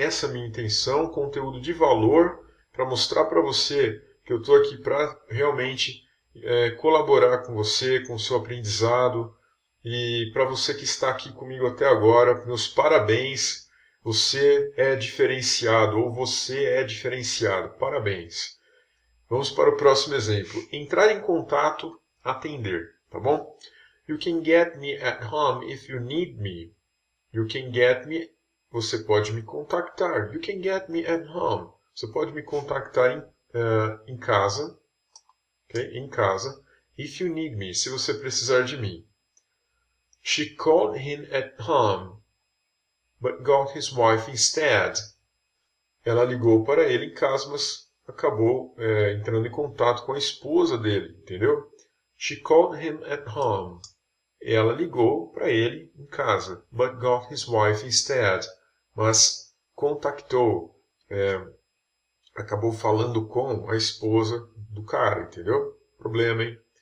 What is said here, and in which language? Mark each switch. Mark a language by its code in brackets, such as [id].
[pt] Essa é a minha intenção, conteúdo de valor, para mostrar para você que eu estou aqui para realmente colaborar com você, com o seu aprendizado. E para você que está aqui comigo até agora, meus parabéns, você é diferenciado, ou você é diferenciado, parabéns. Vamos para o próximo exemplo. Entrar em contato, atender, tá bom? [en] You can get me at home if you need me. You can get me, [pt] você pode me contactar. [en] You can get me at home. [pt] Você pode me contactar em casa, okay? Em casa, [en] if you need me, [pt] se você precisar de mim. [en] She called him at home, but got his wife instead. [pt] Ela ligou para ele em casa, mas acabou entrando em contato com a esposa dele, entendeu? [en] She called him at home. [pt] Ela ligou para ele em casa, [en] but got his wife instead. [pt] Mas contactou, acabou falando com a esposa do cara, entendeu? Problema, hein?